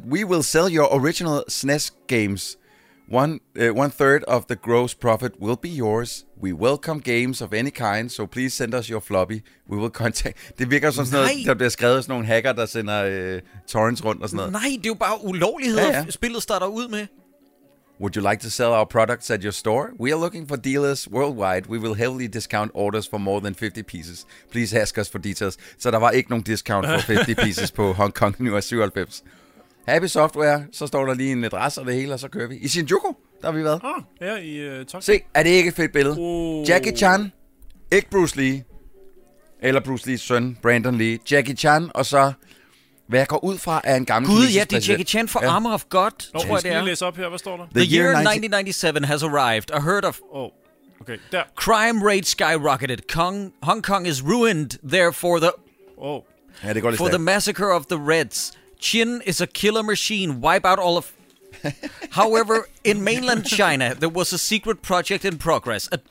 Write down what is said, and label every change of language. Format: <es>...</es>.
<en>We will sell your original SNES games. One third of the gross profit will be yours. We welcome games of any kind, so please send us your floppy. We will contact...</en> <da>Det virker som sådan noget, der bliver skrevet sådan nogle hacker, der sender torrents rundt og sådan noget. Nej, det er jo bare ulovligheder, ja. Spillet starter ud med.</da> <en>Would you like to sell our products at your store? We are looking for dealers worldwide. We will heavily discount orders for more than 50 pieces. Please ask us for details.</en> <da>Så der var ikke nogen discount for 50 pieces på Hong Kong nu af 97. Happy Software, så står der lige en adresse og det hele, og så kører vi. I Shinjuku, der har vi været. Her i Tokyo. Se, er det ikke et fedt billede? Oh. Jackie Chan, ikke Bruce Lee, eller Bruce Lees søn, Brandon Lee. Jackie Chan, og så, hvad jeg går ud fra, er en gammel... Gud, ja, det er Jackie Chan for Armor of God. Nå, prøv at læse op her, hvad står der?</da> <en>The year 1997 has arrived. I heard of...</en> <da>Oh. Okay, der.</da> <en>Crime rate skyrocketed. Hong Kong is ruined, therefore the... Oh.</en> <da>Ja, det går lidt</da> <en>for the massacre of the Reds. Chin is a killer machine. Wipe out all of... However, in mainland China, there was a secret project in progress.</en>